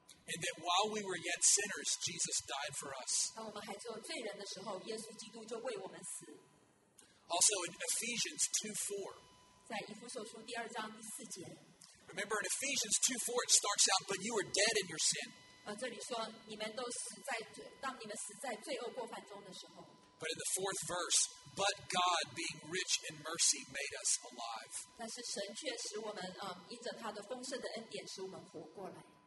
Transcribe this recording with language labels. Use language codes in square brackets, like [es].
[en] And that while we were yet sinners, Jesus died for us. [zh] 当我们还做罪人的时候，耶稣基督就为我们死。 [en] Also in Ephesians 2:4. [zh] 在以弗所书第二章第四节。 [en] Remember in Ephesians 2:4 it starts out, but you were dead in your sin. [zh] 这里说你们都死在当你们死在罪恶过犯中的时候。 [en] But in the fourth verse, but God, being rich in mercy, made us alive. [zh] 但是神却使我们, 因着他的丰盛的恩典使我们活过来。